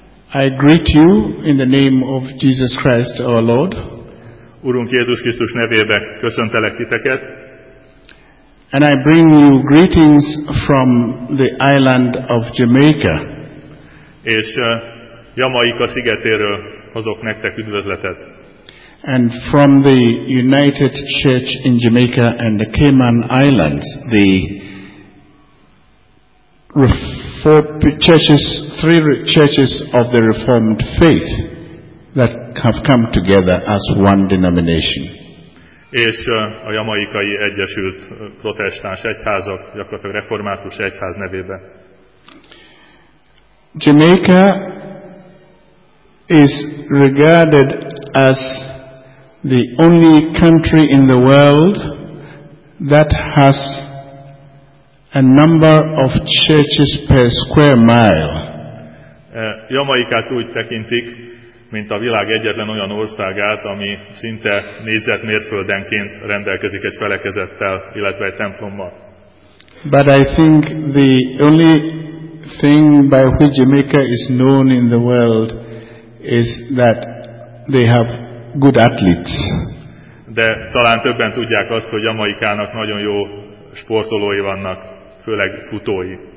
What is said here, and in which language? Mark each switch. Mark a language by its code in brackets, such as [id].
[en] I greet you in the name of Jesus Christ, our Lord. [hu] Urunk Jézus Krisztus nevében köszöntelek titeket. [en] And I bring you greetings from the island of Jamaica. [hu] és Jamaica szigetéről hozok nektek üdvözletet. [en] And from the United Church in Jamaica and the Cayman Islands, the three churches of the Reformed faith that have come together as one denomination. [hu] És a Jamaikai Egyesült Protestáns Egyházak, gyakorlatilag Református Egyház nevében. [en] Jamaica is regarded as the only country in the world that has a number of churches per square mile. [hu] Jamaikát úgy tekintik, mint a világ egyetlen olyan országát, ami szinte négyzetmérföldenként rendelkezik egy felekezettel, illetve egy templommal. [en] But I think the only thing by which Jamaica is known in the world is that they have good athletes. [hu] De talán többen tudják azt, hogy Jamaikának nagyon jó sportolói vannak, főleg futói.